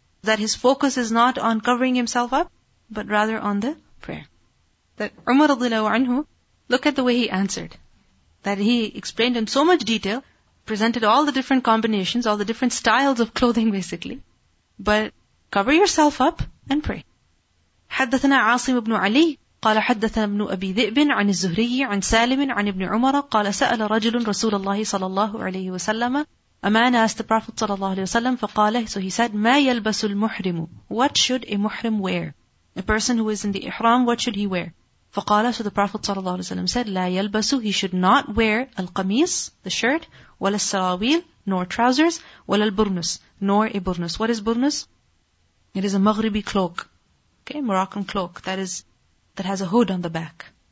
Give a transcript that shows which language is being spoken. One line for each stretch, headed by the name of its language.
English: That his focus is not on covering himself up, but rather on the prayer. That Umar radiallahu anhu, look at the way he answered. That he explained in so much detail, presented all the different combinations, all the different styles of clothing basically. But cover yourself up and pray.
Arabic: حدثنا عاصم بن علي قال حدثنا ابن أبي ذئب عن الزهري عن سالم عن ابن عمر قال سأل رجل رسول الله صلى الله عليه وسلم أمانة
English: asked the Prophet
Arabic: صلى الله عليه وسلم فقال
English: so he said
Arabic: ما يلبس المحرم
English: what should a muhrim wear? A person who is in the ihram, what should he wear? فقال so the Prophet صلى الله عليه وسلم said
Arabic: لا يلبس
English: he should not wear القميص the shirt
Arabic: ولا السراويل
English: nor trousers
Arabic: ولا البرنس
English: nor a burnus. What is burnus? It is a Maghribi cloak. Okay, Moroccan cloak that has a hood on the back.